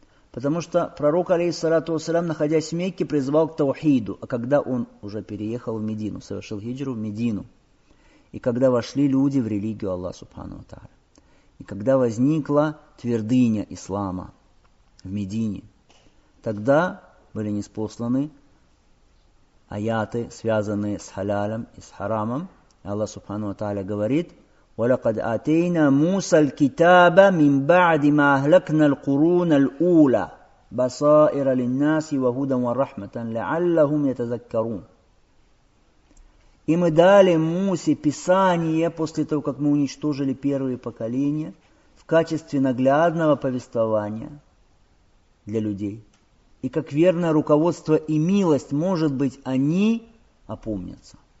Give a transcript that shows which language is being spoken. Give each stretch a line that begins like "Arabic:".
Russian: Потому что пророк, алейхиссалату вассалям, находясь в Мекке, призывал к таухиду, а когда он уже переехал в Медину, совершил хиджру в Медину, и когда вошли люди в религию Аллаха Субхану Тааля, и когда возникла твердыня ислама в Медине, тогда были ниспосланы аяты, связанные с халялем и с харамом. И Аллах Субхану Тааля говорит:
Arabic: وَلَقَدْ آتَيْنَا مُوسَى الْكِتَابَ مِنْ بَعْدِ مَا أَهْلَكْنَا الْقُرُونَ الْأُولَى بَصَائِرَ لِلنَّاسِ وَهُدًى وَرَحْمَةً لَعَلَّهُمْ يَتَذَكَّرُونَ.
Russian: И мы дали Мусе Писание после того, как мы уничтожили первые поколения, в качестве наглядного повествования для людей. И как верное руководство и милость, может быть, они опомнятся.